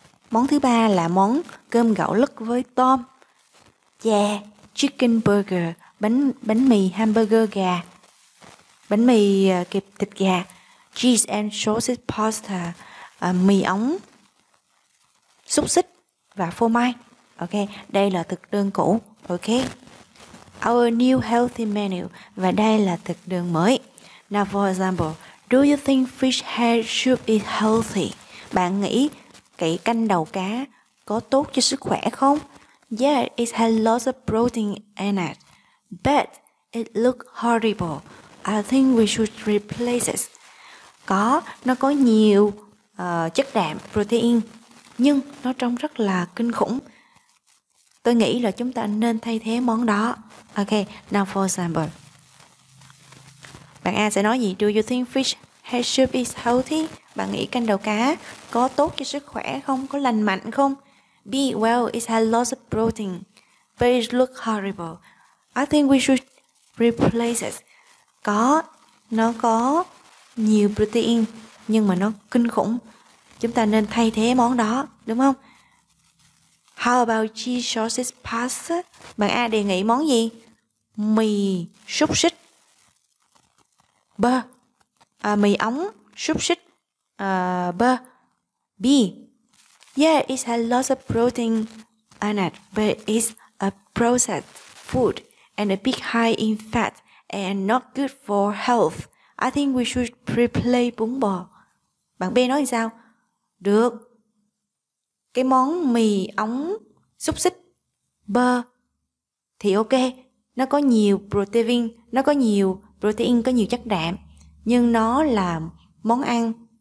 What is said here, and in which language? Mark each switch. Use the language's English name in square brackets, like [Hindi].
[Vietnamese] Món thứ ba là món cơm gạo lứt với tôm, chè, [English] chicken burger, [Vietnamese] bánh mì hamburger gà, bánh mì kẹp thịt gà, [English] cheese and sausage pasta, [Vietnamese] mì ống, xúc xích và phô mai. Ok, đây là thực đơn cũ. Ok, [English] our new healthy menu, [Vietnamese] và đây là thực đơn mới. [English] Now for example, do you think fish head soup is healthy? [Vietnamese] Bạn nghĩ cái canh đầu cá có tốt cho sức khỏe không? [English] Yeah, it has lots of protein in it, but it looks horrible. I think we should replace it. [Vietnamese] Có, nó có nhiều chất đạm, protein, nhưng nó trông rất là kinh khủng. Tôi nghĩ là chúng ta nên thay thế món đó. Ok, [English] now for example. [Vietnamese] Bạn A sẽ nói gì? [English] Do you think fish head soup is healthy? [Vietnamese] Bạn nghĩ canh đầu cá có tốt cho sức khỏe không? Có lành mạnh không? [English] B, well, it has lots of protein, but it looks horrible. I think we should replace it. [Vietnamese] Có, nó có nhiều protein, nhưng mà nó kinh khủng. Chúng ta nên thay thế món đó, đúng không? [English] How about cheese sausage pasta? [Vietnamese] Bạn A đề nghị món gì? Mì xúc xích, bơ, mì ống xúc xích, bơ. [English] B, yeah, it has lots of protein in it, but it's a processed food and a bit high in fat and not good for health. I think we should replace bún bò. [Vietnamese] Bạn B nói sao? Được, cái món mì ống xúc xích bơ thì ok, nó có nhiều protein, nó có nhiều protein, có nhiều chất đạm, nhưng nó là món ăn